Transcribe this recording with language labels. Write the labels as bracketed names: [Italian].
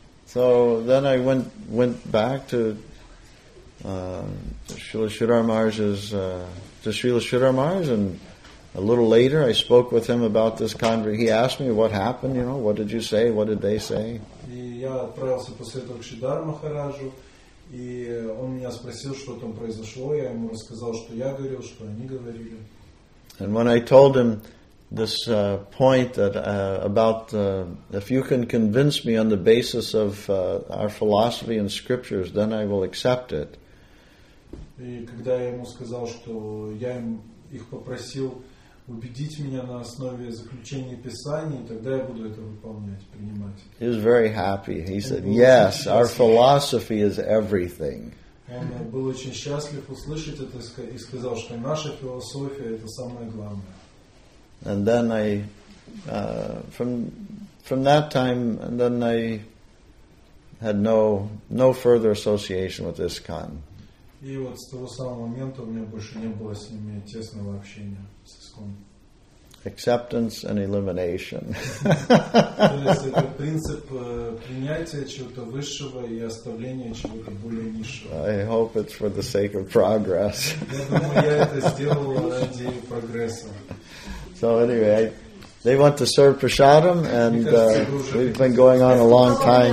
[English] So then I went back to Srila Sridhar Maharaj's to Srila Sridhar Maharaj, and a little later I spoke with him about this conversation. He asked me what happened, what did you say, what did they say? [Russian] И я отправился после этого к Шридхару Махараджу, И он меня спросил, что там произошло. Я ему рассказал, что я говорил, что они говорили. [English] And when I told him this point that about if you can convince me on the basis of our philosophy and scriptures, then I will accept it. [Russian] И когда я ему сказал, что я им их попросил убедить меня на основе заключения Писаний, тогда я буду это выполнять, принимать. [English] He was very happy. He said, "Yes, our philosophy is everything." [Russian] Он был очень счастлив услышать это и сказал, что наша философия это самое главное. [English] And then I, from that time, and then I had no further association with ISKCON. [Russian] И вот с того самого момента у меня больше не было с ними тесного общения с ISKCON. [English] Acceptance and elimination. [Russian] То есть это принцип принятия чего-то высшего и оставления чего-то более низшего. [English] I hope it's for the sake of progress. [Russian] Я думаю, я это сделал ради прогресса. [English] So anyway, they want to serve prasadam, and we've been going on a long time.